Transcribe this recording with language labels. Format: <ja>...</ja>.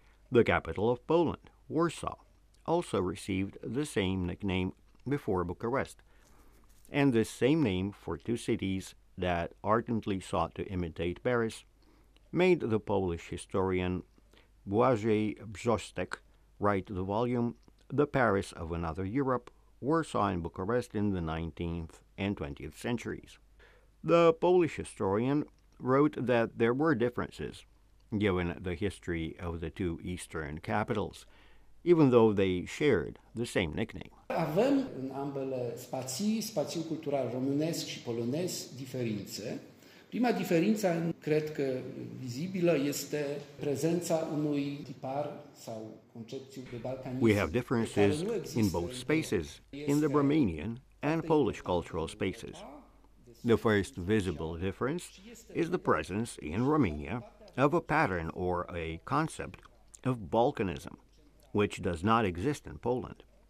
<en>The capital of Poland, Warsaw, also received the same nickname before Bucharest, and this same name for two cities that ardently sought to imitate Paris made the Polish historian Błażej Brzostek write the volume The Paris of Another Europe, Warsaw and Bucharest in the 19th and 20th centuries. The Polish historian wrote that there were differences, given the history of the two eastern capitals, even though they shared the same nickname.</en> <ro>Avem în ambele spații, spațiul cultural românesc și polonez, diferențe. Prima diferență, cred că vizibilă, este prezența unui tipar sau concepție de balcanism.</ro> <en>We have differences in both spaces, in the Romanian and Polish cultural spaces. The first visible difference is the presence in Romania of a pattern or a concept of Balkanism, which does not exist in Poland.</en>